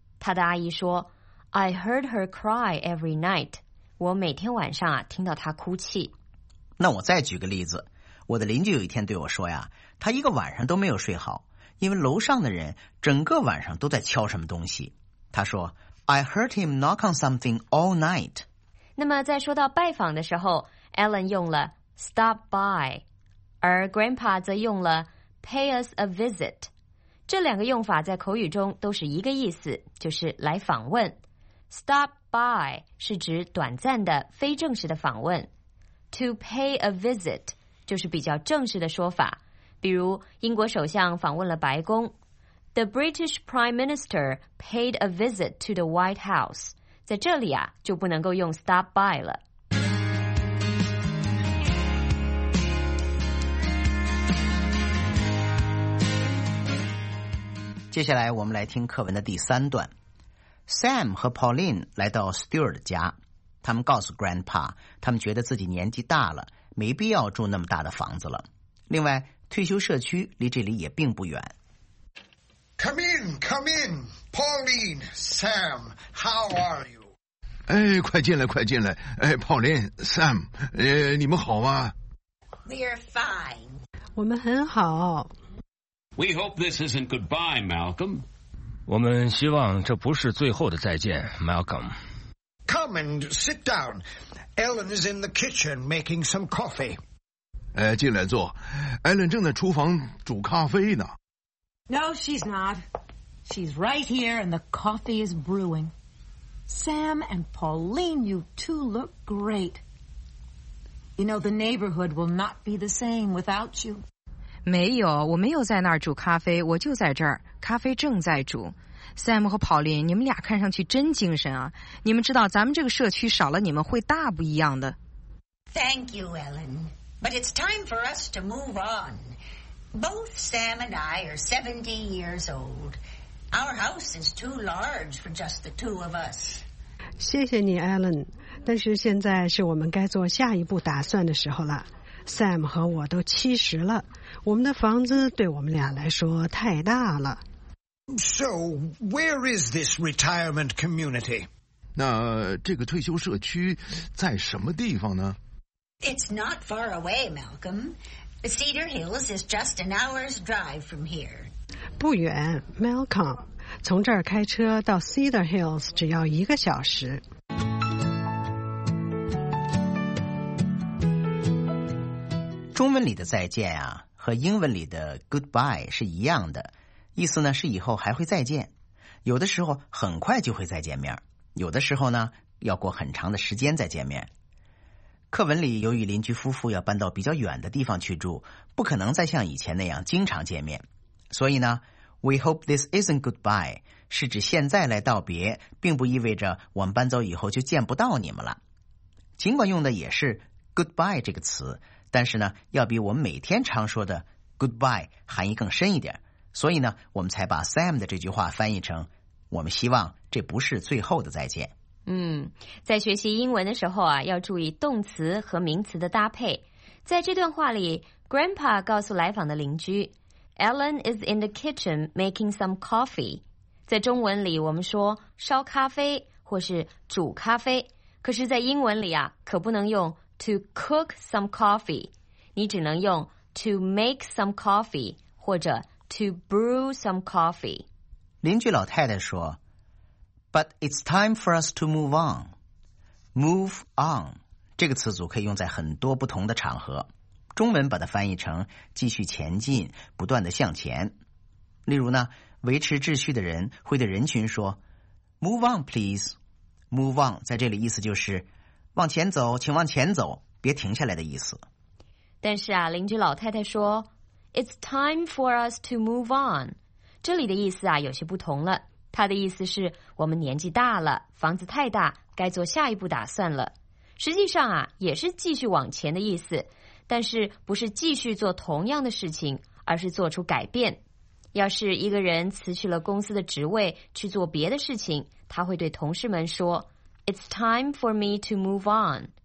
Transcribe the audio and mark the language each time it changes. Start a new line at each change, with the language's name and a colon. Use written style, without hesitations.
Chinese: 她的阿姨说
English: I heard her cry every night，
Chinese: 我每天晚上啊听到她哭泣。那我再举个例子，我的邻居有一天对我说呀，她一个晚上都没有睡好，因为楼上的人整个晚上都在敲什么东西。他说
English: I heard him knock on something all night。
Chinese: 那么在说到拜访的时候， Alan 用了 stop by， 而 Grandpa 则用了 pay us a visit。这两个用法在口语中都是一个意思，就是来访问。 stop by 是指短暂的非正式的访问， to pay a visit 就是比较正式的说法。比如英国首相访问了白宫，
English: The British Prime Minister paid a visit to the White House.
Chinese: 在这里啊，就不能够用 stop by 了。接下来我们来听课文的第三段。Sam 和 Pauline 来到 Stuart 家，他们告诉 Grandpa， 他们觉得自己年纪大了，没必要住那么大的房子了。另外，退休社区离这里也并不远。
English: Come in, come in, Pauline, Sam, how are you?
Chinese: 哎，快进来，快进来。哎 ，Pauline, Sam, 你们好吗
English: ？We're fine.
Chinese: 我们很好。
English: We hope this isn't goodbye, Malcolm.
Chinese: 我们希望这不是最后的再见 ，Malcolm.
English: Come and sit down. Ellen is in the kitchen making some coffee.
Chinese: 哎，进来坐。 Ellen 正在厨房煮咖啡呢。
English: No, she's not. She's right here and the coffee is brewing. Sam and Pauline, you two look great. You know, the neighborhood will not be the same without you.
Chinese: 没有，我没有在那儿煮咖啡，我就在这儿，咖啡正在煮。 Sam 和 Pauline, 你们俩看上去真精神啊。你们知道咱们这个社区少了你们会大不一样的。
English: Thank you, Ellen. But it's time for us to move on. Both Sam and I are 70 years old. Our house is too large for just the two of us.
Chinese: 谢谢你 Ellen, 但是现在是我们该做下一步打算的时候了。 Sam 和我都70了，我们的房子对我们俩来说太大了。
English: So, where is this retirement community?
Chinese: 那这个退休社区在什么地方呢？
English: It's not far away, Malcolm. Cedar Hills is just an hour's drive from here.
Chinese: 不远 ,Malcolm, 从这儿开车到 Cedar Hills 只要一个小时。中文里的再见啊，和英文里的 goodbye 是一样的。意思呢是以后还会再见，有的时候很快就会再见面，有的时候呢要过很长的时间再见面。课文里由于邻居夫妇要搬到比较远的地方去住，不可能再像以前那样经常见面，所以呢
English: We hope this isn't goodbye
Chinese: 是指现在来道别，并不意味着我们搬走以后就见不到你们了。尽管用的也是 goodbye 这个词，但是呢要比我们每天常说的 goodbye 含义更深一点，所以呢我们才把 Sam 的这句话翻译成我们希望这不是最后的再见。嗯，在学习英文的时候啊，要注意动词和名词的搭配。在这段话里 Grandpa 告诉来访的邻居
English: Ellen is in the kitchen making some coffee。
Chinese: 在中文里我们说烧咖啡或是煮咖啡，可是在英文里啊，可不能用
English: to cook some coffee，
Chinese: 你只能用
English: to make some coffee
Chinese: 或者
English: To brew some coffee.
Chinese: 邻居老太太说
English: But it's time for us to move on.
Chinese: Move on 这个词组可以用在很多不同的场合，中文把它翻译成继续前进，不断的向前。例如呢，维持秩序的人会对人群说
English: Move on please.
Chinese: Move on 在这里意思就是往前走，请往前走，别停下来的意思。但是啊，邻居老太太说
English: It's time for us to move on.
Chinese: 这里的意思啊，有些不同了。它的意思是，我们年纪大了，房子太大，该做下一步打算了。实际上啊，也是继续往前的意思，但是不是继续做同样的事情，而是做出改变。要是一个人辞去了公司的职位，去做别的事情，他会对同事们说
English: It's time for me to move on.